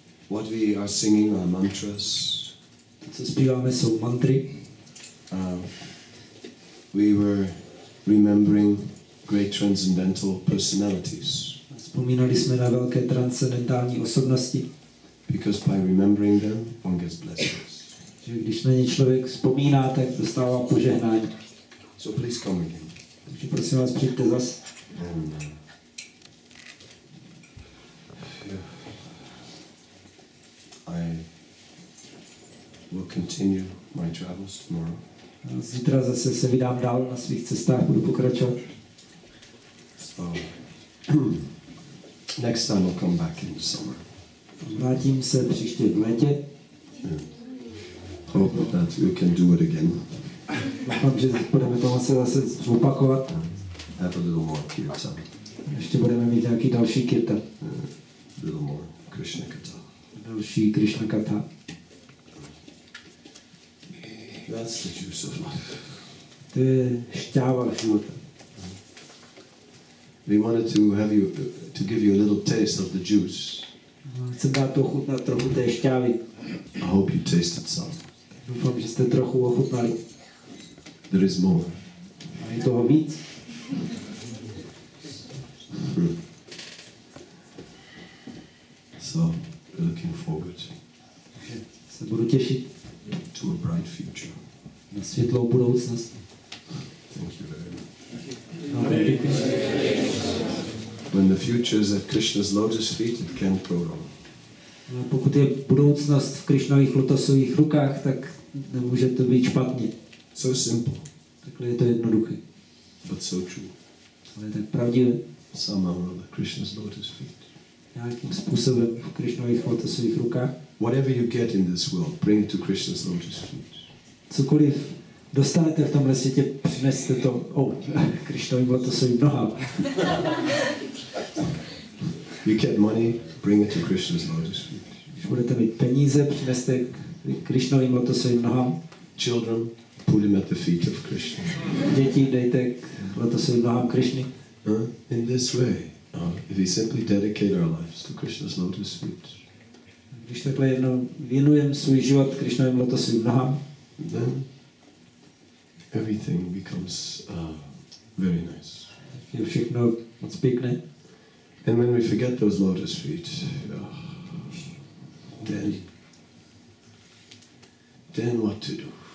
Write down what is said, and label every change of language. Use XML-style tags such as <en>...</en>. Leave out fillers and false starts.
<en>What we are singing are mantras.</en> <cs>To, co zpíváme, jsou mantry.</cs> <en>We were remembering great transcendental personalities.</en> <cs>Vzpomínali jsme na velké transcendentální osobnosti.</cs> <en>Because by remembering them, one gets blessings.</en> <cs>Že když na ně člověk vzpomíná, tak dostává požehnání.</cs> <en>So please come again.</en> <cs>Takže prosím vás, přijďte zas.</cs> <en>I will continue my travels tomorrow.</en> <cs>A zítra zase se vydám dál na svých cestách, budu pokračovat.</cs> <en>Next time I'll come back in the summer.</en> <cs>Vrátím se příště v létě.</cs> <en>Hope that we can do it again.</en> <cs>Doufám, že budeme to moci zase zopakovat.</cs> <en>Have a little more kirtan.</en> <cs>Ještě budeme mít nějaký další kirtan.</cs> <en>A little more Krishna kata.</en> <cs>Další Krishna kata.</cs> <en>That's the juice of life.</en> <cs>To je šťáva života.</cs> <en>We wanted to have you to give you a little taste of the juice.</en> <cs>Chcem dát ochutnat trochu té šťávy.</cs> <en>I hope you tasted some.</en> <cs>Doufám, že jste trochu ochutnali.</cs> <en>There is more.</en> <cs>A je toho víc?</cs> <en>So, we're looking forward.</en> <cs>Se budu těšit.</cs> <en>To a bright future.</en> <cs>Na světlou budoucnost.</cs> <en>Thank you very much. When the future is at Krishna's lotus feet, it can't go wrong.</en> <cs>Pokud je budoucnost v Krishnových lotosových rukách, tak nemůže to být špatně.</cs> <en>So simple.</en> <cs>Takhle je to jednoduché.</cs> <en>But so true.</en> <cs>Ale je tak pravdivé.</cs> <en>Somehow at Krishna's lotus feet.</en> <cs>Nějakým způsobem v Krishnových lotosových rukách.</cs> <en>Whatever you get in this world, bring to Krishna's lotus feet.</en> <cs>Cokoliv dostanete v tomhle světě, přineste to, Krištovým lotosovým nohám.</cs> <en>You get money, bring it to Krishna's lotus feet.</en> <cs>Když budete mít peníze, přineste k Krištovým lotosovým nohám.</cs> <en>Children, put him at the feet of Krishna.</en> <cs>Děti, dejte k lotosovým nohám Krišny.</cs> <en>In this way, if we simply dedicate our lives to Krishna's lotus feet.</en> <cs>Když takhle jednou věnujeme svůj život Krištovým lotosovým nohám,</cs> <en>then everything becomes very nice.</en> <cs>Všechno moc pěkné.</cs> <en>And when we forget those lotus feet, then what to do?</en>